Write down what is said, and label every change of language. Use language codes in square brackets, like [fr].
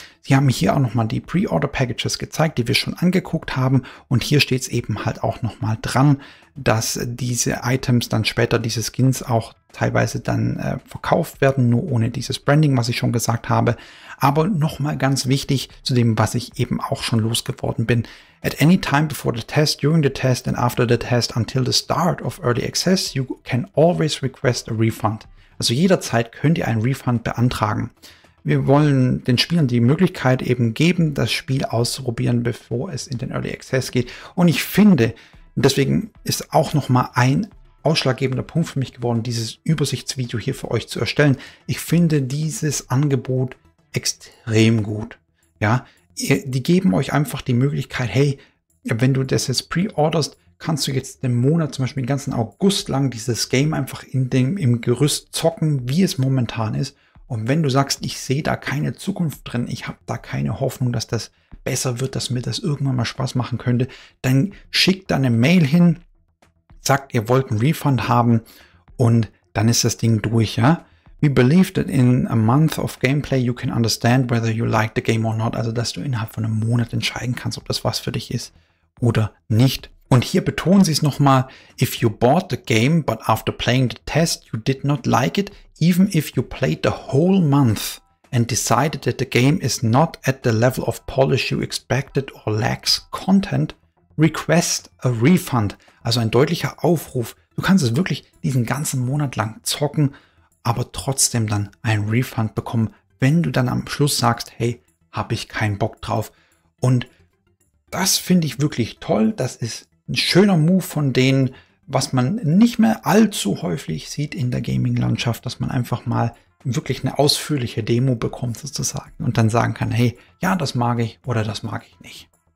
[de] Sie haben hier auch nochmal die Pre-Order Packages gezeigt, die wir schon angeguckt haben. Und hier steht es eben halt auch nochmal dran, dass diese Items dann später, diese Skins auch teilweise dann verkauft werden, nur ohne dieses Branding, was ich schon gesagt habe. Aber nochmal ganz wichtig zu dem, was ich eben auch schon losgeworden bin. [en] At any time before the test, during the test and after the test until the start of early access, you can always request a refund. [de] Also jederzeit könnt ihr einen Refund beantragen. Wir wollen den Spielern die Möglichkeit eben geben, das Spiel auszuprobieren, bevor es in den Early Access geht. Und ich finde, deswegen ist auch nochmal ein ausschlaggebender Punkt für mich geworden, dieses Übersichtsvideo hier für euch zu erstellen. Ich finde dieses Angebot extrem gut. Ja, die geben euch einfach die Möglichkeit, hey, wenn du das jetzt pre-orderst, kannst du jetzt den Monat, zum Beispiel den ganzen August lang, dieses Game einfach im Gerüst zocken, wie es momentan ist. Und wenn du sagst, ich sehe da keine Zukunft drin, ich habe da keine Hoffnung, dass das besser wird, dass mir das irgendwann mal Spaß machen könnte, dann schickt da eine Mail hin, sagt, ihr wollt einen Refund haben und dann ist das Ding durch, ja? [en] We believe that in a month of gameplay you can understand whether you like the game or not. [de] Also, dass du innerhalb von einem Monat entscheiden kannst, ob das was für dich ist oder nicht. Und hier betonen sie es nochmal, [en] if you bought the game, but after playing the test, you did not like it, even if you played the whole month and decided that the game is not at the level of polish you expected or lacks content, request a refund. [de] Also ein deutlicher Aufruf. Du kannst es wirklich diesen ganzen Monat lang zocken, aber trotzdem dann einen Refund bekommen, wenn du dann am Schluss sagst, hey, habe ich keinen Bock drauf. Und das finde ich wirklich toll. Das ist ein schöner Move von denen, was man nicht mehr allzu häufig sieht in der Gaming-Landschaft, dass man einfach mal wirklich eine ausführliche Demo bekommt sozusagen und dann sagen kann, hey, ja, das mag ich oder das mag ich nicht.